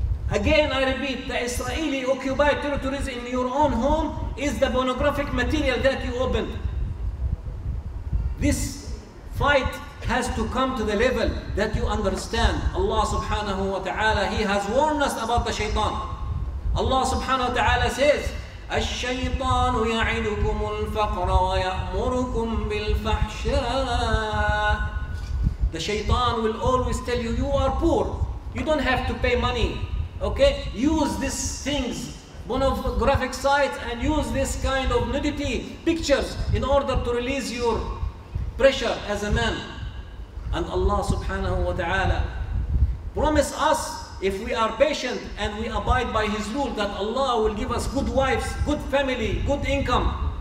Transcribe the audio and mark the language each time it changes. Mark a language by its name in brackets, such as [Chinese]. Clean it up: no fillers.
[English] Again, I repeat, the Israeli occupied territories in your own home is the pornographic material that you opened. This fight has to come to the level that you understand. Allah subhanahu wa ta'ala, He has warned us about the shaitan. Allah subhanahu wa ta'ala says, [Arabic] الشيطان يعدكم الفقر ويأمركم بالفحشاء. [English] The shaitan will always tell you, you are poor, you don't have to pay money, okay? Use these things, pornographic sites, and use this kind of nudity pictures in order to release your pressure as a man. And Allah subhanahu wa ta'ala promise us, if we are patient and we abide by His rule, that Allah will give us good wives, good family, good income.